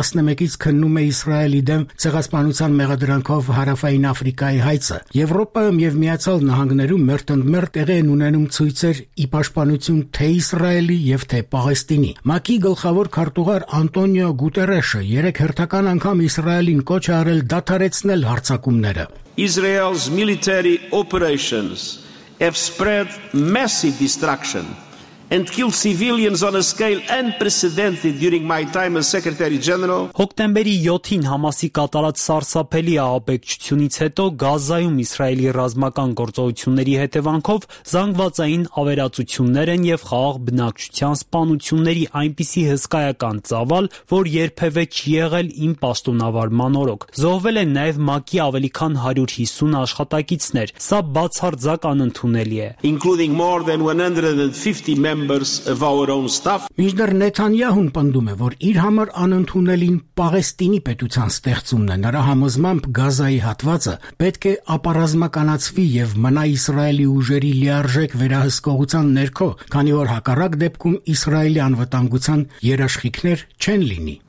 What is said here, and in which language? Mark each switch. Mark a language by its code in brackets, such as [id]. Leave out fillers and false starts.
[hy] 11-ից քննում է Իսրայելի դեմ ցեղասպանության մեղադրանքով Հարավային Աֆրիկայի հայցը։ Եվրոպայում և Միացյալ Նահանգներում մերտնմերտ տեղի են ունենում ցույցեր ի պաշտպանություն թե Իսրայելի և թե Պաղեստինի։ ՄԱԿ-ի գլխավոր քարտուղար Անտոնիո Գուտերեշը 3 հերթական անգամ Իսրայելին կոչ է արել դադարեցնել հարձակումները։ [en] Israel's military operations have spread massive destruction and killed civilians on a scale unprecedented during my time as Secretary General. [hy] Հոկտեմբերի 7-ին Համասի կատարած սարսափելի ահաբեկչությունից հետո Գազայում Իսրայելի ռազմական գործողությունների հետևանքով զանգվածային ավերածություններ են եւ խաղաղ բնակչության սպանությունների այնպիսի հսկայական ծավալ, որ երբևէ չի եղել իմ պաշտոնավարման օրոք։ Զոհվել են նաեւ ՄԱԿ-ի ավելի քան 150 աշխատակիցներ, սա բացարձակ անընդունելի է. [en] Including more than 150 members of our own staff. [hy] Մինչդեռ Նեթանյահուն պնդում է, որ իր համար անընդունելին Պաղեստինի պետության ստեղծումն է, նրա համոզմամբ Գազայի հատվածը պետք է ապարազմականացվի եւ մնա Իսրայելի ուժերի լիարժեք վերահսկողության ներքո, քանի որ հակառակ դեպքում Իսրայելի անվտանգության երաշխիքներ չեն լինի.